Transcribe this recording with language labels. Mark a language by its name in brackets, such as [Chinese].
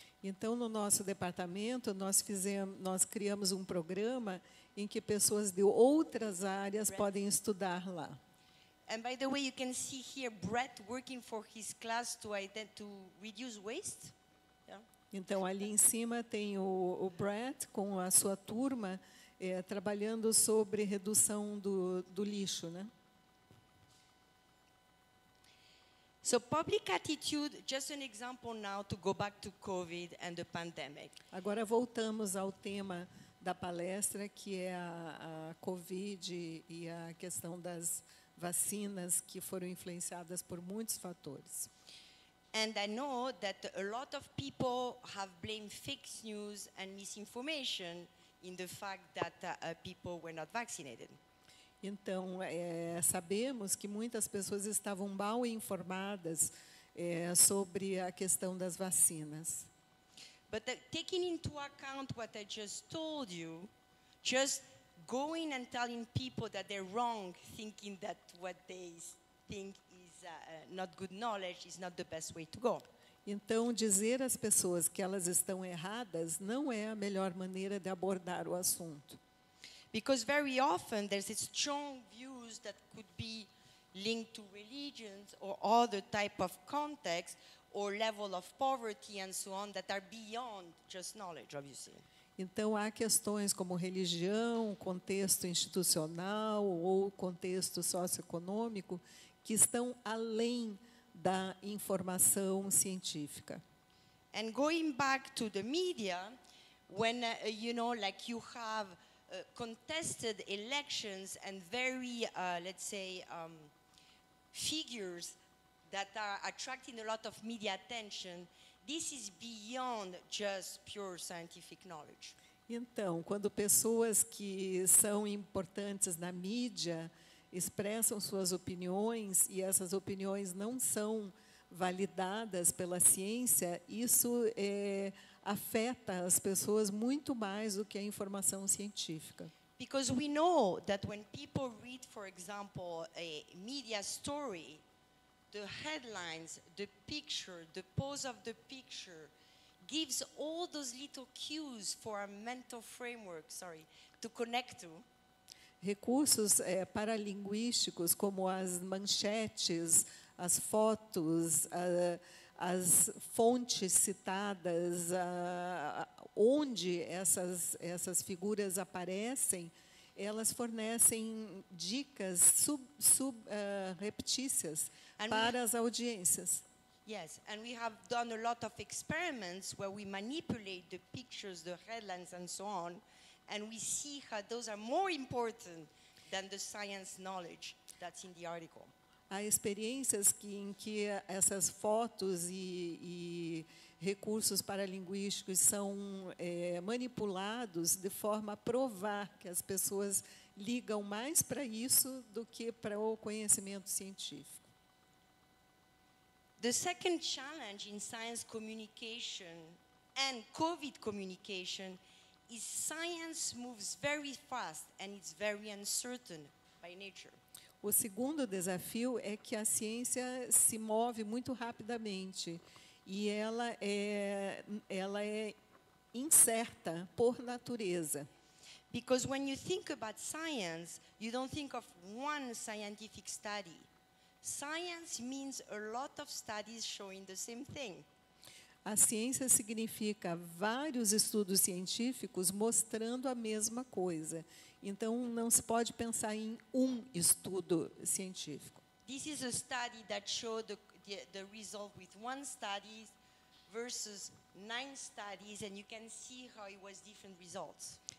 [Portuguese] Então, no nosso departamento, nós criamos um programa em que pessoas de outras áreas podem estudar lá. [English] And by the way, you can see here Brett working for his class to reduce waste. [Portuguese] Então, ali em cima tem o Brett com a sua turma trabalhando sobre redução do lixo, né? [English] So public attitude, just an example now to go back to COVID and the pandemic. [Portuguese] Agora voltamos ao tema da palestra, que é a COVID e a questão das vacinas que foram influenciadas por muitos fatores. [English] And I know that a lot of people have blamed fake news and misinformation in the fact that people were not vaccinated. [Portuguese] Então, sabemos que muitas pessoas estavam mal informadas sobre a questão das vacinas. [English] But taking into account what I just told you, just going and telling people that they're wrong, thinking that what they think is not good knowledge, is not the best way to go. [Portuguese] Então, dizer às pessoas que elas estão erradas não é a melhor maneira de abordar o assunto. [English] Because very often there's a strong views that could be linked to religions or other type of context or level of poverty and so on that are beyond just knowledge, obviously. [Portuguese] Então há questões como religião, contexto institucional ou contexto socioeconômico que estão além da informação científica. [English] And going back to the media, when you know, like you have contested elections and very, let's say, figures that are attracting a lot of media attention, this is beyond just pure scientific knowledge. [Portuguese] Então, quando pessoas que são importantes na mídia expressam suas opiniões e essas opiniões não são validadas pela ciência, isso afeta as pessoas muito mais do que a informação científica. [English] Because we know that when people read, for example, a media story, the headlines, the picture, the pose of the picture gives all those little cues for our mental framework, to connect to. [Portuguese] Recursos paralinguísticos como as manchetes, as fotos, as fontes citadas, onde essas figuras aparecem, elas fornecem dicas subreptícias para as audiências. [English] Yes, and we have done a lot of experiments where we manipulate the pictures, the headlines and so on, and we see how those are more important than the science knowledge that's in the article. [Portuguese] Há experiências que, em que essas fotos e recursos paralinguísticos são manipulados de forma a provar que as pessoas ligam mais para isso do que para o conhecimento científico. [English] The second challenge in science communication and COVID communication is science moves very fast and it's very uncertain by nature. [Portuguese] O segundo desafio é que a ciência se move muito rapidamente e ela é incerta por natureza. [English] Because when you think about science, you don't think of one scientific study. Science means a lot of studies showing the same thing. [Portuguese] A ciência significa vários estudos científicos mostrando a mesma coisa. Então, não se pode pensar em um estudo científico. [English] This is a study that showed the result with one study versus nine studies, and you can see how it was different results.